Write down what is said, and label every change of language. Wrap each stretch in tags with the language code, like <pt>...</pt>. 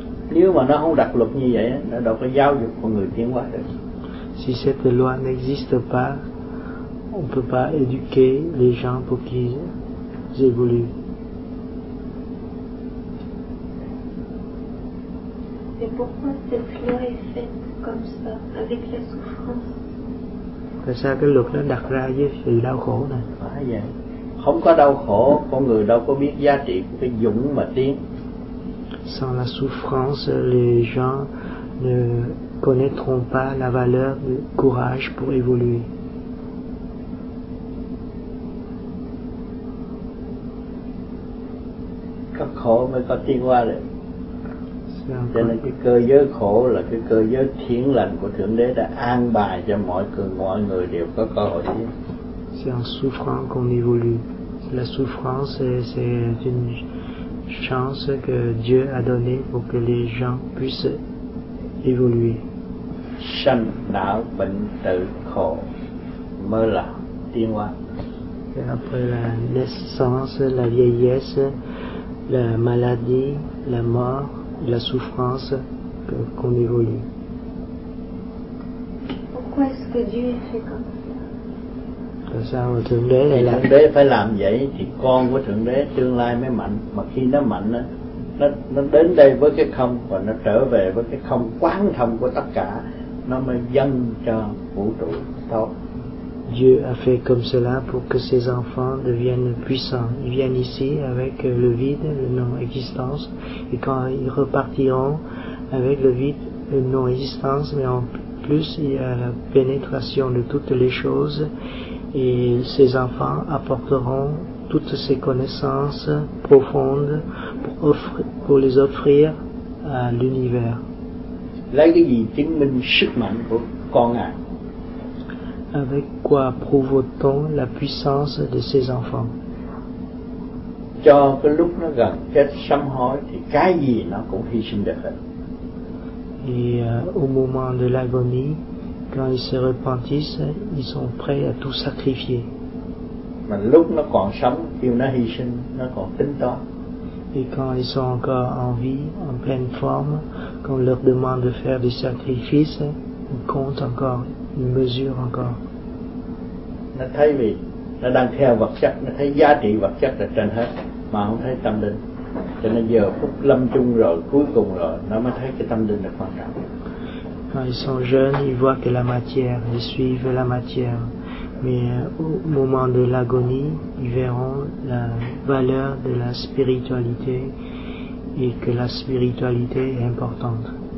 <vi>Nếu mà nó không đặt luật như vậy, nó đâu có giáo dục con người tiến hóa được.</vi> <fr>Si cette loi n'existe pas, on peut pas éduquer les gens pour qu'ils évoluent. Et pourquoi cette loi est faite comme ça, avec la souffrance?</fr> <vi>Tại sao cái luật nó đặt ra với sự đau khổ này? Phải vậy. Không có đau khổ, con người đâu có biết giá trị của cái dũng mà tiến.</vi> <fr>Sans la souffrance, les gens ne connaîtront pas la valeur du courage pour évoluer.</fr> <vi>Cái khổ mới có tiến hóa được. Cho nên cái cơ giới khổ là cái cơ giới thiện lành của Thượng Đế đã an bài cho mọi người đều có cơ hội tiến.</vi> <fr>C'est en souffrant qu'on évolue. La souffrance, c'est une chance que Dieu a donné pour que les gens puissent évoluer.</fr> <vi>Sanh, đạo, bệnh, tử, khổ, mơ là tiến hóa.</vi> <fr>Et après la naissance, la vieillesse, la maladie, la mort, la souffrance qu'on évolue. Pourquoi est-ce que Dieu est fait comme ça?</fr> <vi>Sao mà Thượng Đế lại Thượng Đế phải làm vậy thì con của Thượng Đế tương lai mới mạnh. Mà khi nó mạnh á, nó đến đây với cái không và nó trở về với cái không quán thông của tất cả, nó mới dâng cho vũ trụ tốt.</vi> <fr>Dieu a fait comme cela pour que ses enfants deviennent puissants. Ils viennent ici avec le vide, le non-existence, et quand ils repartiront avec le vide, le non-existence, mais en plus il y a la pénétration de toutes les choses, et ses enfants apporteront toutes ces connaissances profondes pour les offrir à l'univers.</fr> <vi>Lấy cái gì chứng minh sức mạnh của con à?</vi> <fr>Avec quoi prouve-t-on la puissance de ses enfants?</fr> <vi>Cho cái lúc nó gần chết sám hối thì cái gì nó cũng hy sinh được hết.</vi> <fr>Et au moment de l'agonie, quand ils se repentissent, ils sont prêts à tout sacrifier.</fr> <vi>mà lúc nó còn sống kêu nó hy sinh, nó còn tính toán.</vi> <fr>Et quand ils sont encore en vie, en pleine forme, quand on leur demande de faire des sacrifices, ils comptent encore, ils mesurent encore.</fr> <vi>Nó thấy vì nó đang theo vật chất, nó thấy giá trị vật chất là trên hết, mà không thấy tâm linh. Cho nên giờ phút lâm chung rồi, cuối cùng rồi, nó mới thấy cái tâm linh là quan trọng.</vi> <fr>Quand ils sont jeunes, ils voient que la matière, ils suivent la matière. Mais au moment de l'agonie, ils verront la valeur de la spiritualité et que la spiritualité est importante.</fr>